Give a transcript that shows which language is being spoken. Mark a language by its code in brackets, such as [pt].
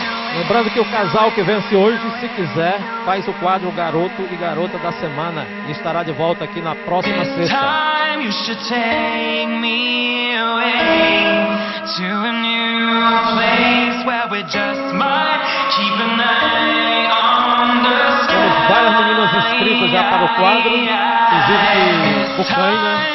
[pt] Não Lembrando que o casal que vence hoje, se quiser, faz o quadro Garoto e Garota da Semana e estará de volta aqui na próxima sexta. [en] You should take me away to a new place where we just might keep an eye on the sky. [pt] Temos várias meninas inscritas já para o quadro, inclusive Bucanha.